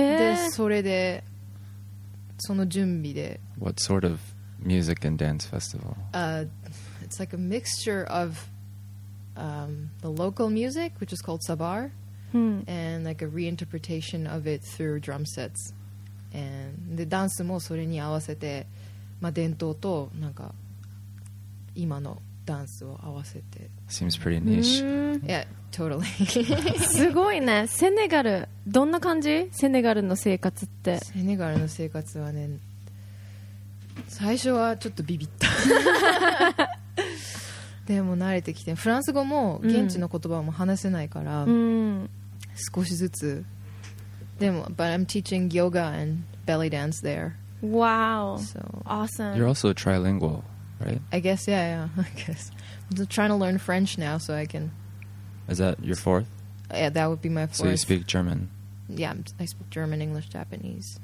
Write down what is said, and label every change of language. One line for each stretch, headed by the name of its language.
Japanese: え。で、それで、その準備で。
English: What sort of music and dance festival? It's like a mixture of the local music, which is called sabar, and like a reinterpretation of it through drum sets.
Japanese: And ダンスもそれに合わせて、まあ、伝統となんか今のダンスを合わせて。
English: Seems pretty niche. Yeah, totally.
Japanese: すごいね。セネガル、どんな感じ？セネガルの生活って。セネガルの生活はね、最初はちょっとビビったでも慣れてきて、フランス語も現地の言葉も話せないから、少しずつ。
English: でも But I'm teaching yoga and belly dance there Wow. So, awesome. You're also trilingual, right? I guess, yeah. I guess. I'm just trying to learn French now so I can... Is that your fourth? Yeah, that would be my fourth. So you speak German? Yeah, I speak German, English, Japanese.